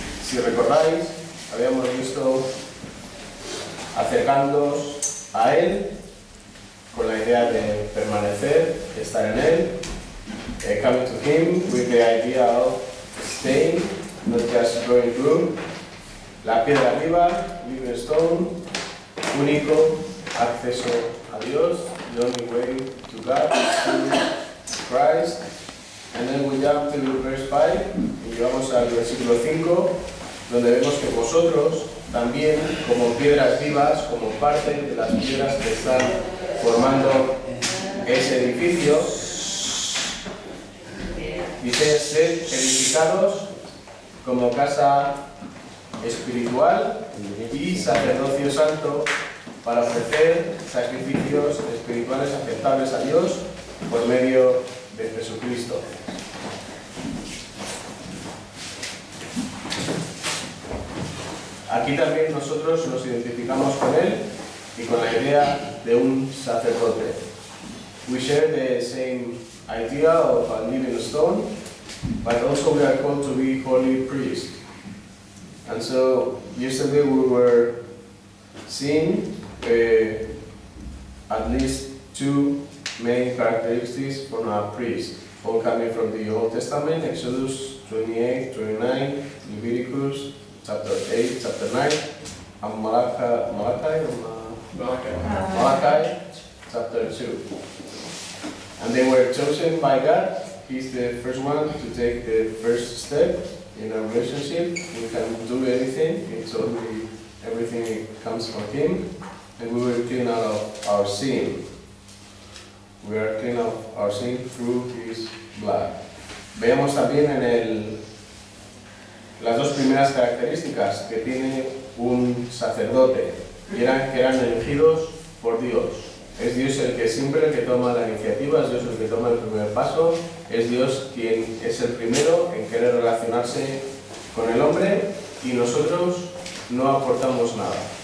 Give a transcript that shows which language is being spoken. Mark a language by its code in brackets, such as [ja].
[es] Si recordáis, habíamos visto acercándonos a Él con la idea de permanecer, de estar en Él. [en] Coming to Him with the idea of staying, not just going through. [es] La piedra viva, [en] living stone, [es] único acceso a Dios, [en] the only way to God is through Christ. And then we jump to verse 5 [es] y llegamos al versículo 5, donde vemos que vosotros también, como piedras vivas, como parte de las piedras que están formando ese edificio, dice ser edificados como casa espiritual y sacerdocio santo para ofrecer sacrificios espirituales aceptables a Dios por medio de Jesucristo. Aquí también nosotros nos identificamos con él y con la idea de un sacerdote. [en] We share the same idea of a living stone, but also we are called to be holy priests. And so yesterday we were seeing at least two main characteristics from a priest, all coming from the Old Testament, Exodus 28, 29, Leviticus, chapter 8, chapter 9, and Malachi, chapter 2. And they were chosen by God. He's the first one to take the first step in a relationship. He can do anything. It's only everything comes from Him. And we were clean out of our sin. We are clean of our sin through His blood. [es] Veamos también en el las dos primeras características que tiene un sacerdote eran que eran elegidos por Dios. Es Dios el que siempre el que toma la iniciativa, es Dios el que toma el primer paso, es Dios quien es el primero en querer relacionarse con el hombre y nosotros no aportamos nada.